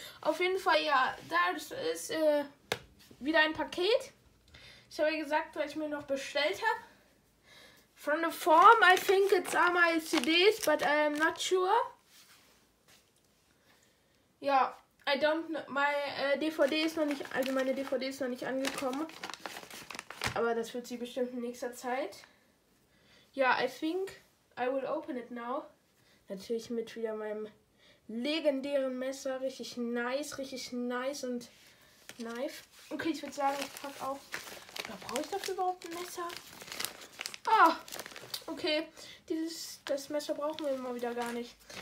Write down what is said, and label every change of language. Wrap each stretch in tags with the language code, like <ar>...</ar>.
<de>Auf jeden Fall, ja, da ist wieder ein Paket. Ich habe ja gesagt, weil ich mir noch bestellt habe.</de> <en>From the form, I think it's are my CDs, but I'm not sure. Ja, I don't know.</en> <de>Meine DVD ist noch nicht angekommen. Aber das wird sie bestimmt in nächster Zeit.</de> <en>Ja, I think I will open it now.</en> <de>Natürlich mit wieder meinem legendären Messer. Richtig nice und knife. Okay, ich würde sagen, ich pack auf. Oder brauche ich dafür überhaupt ein Messer? Ah, okay. Das Messer brauchen wir immer wieder gar nicht.</de>